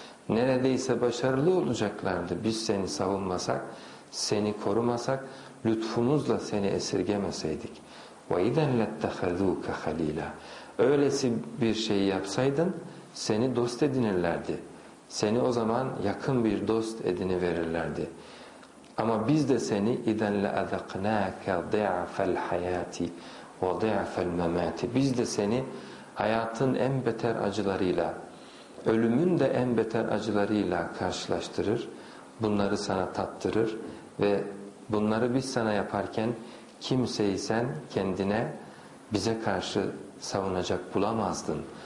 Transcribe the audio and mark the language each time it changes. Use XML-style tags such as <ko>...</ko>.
<tr>Neredeyse başarılı olacaklardı. Biz seni savunmasak, seni korumasak, lütfumuzla seni esirgemeseydik.</tr> <ar>وَاِذَنْ لَتَّخَذُوكَ خَل۪يلًا.</ar> <tr>Öylesi bir şeyi yapsaydın, seni dost edinirlerdi. Seni o zaman yakın bir dost ediniverirlerdi. Ama biz de seni</tr> <ar>اِذَنْ لَأَذَقْنَاكَ ضِعْفَ الْحَيَاتِ وَضِعْفَ الْمَمَاتِ.</ar> <tr>Biz de seni hayatın en beter acılarıyla, ölümün de en beter acılarıyla karşılaştırır, bunları sana tattırır ve bunları biz sana yaparken kimseyi sen kendine, bize karşı savunacak bulamazdın.</tr>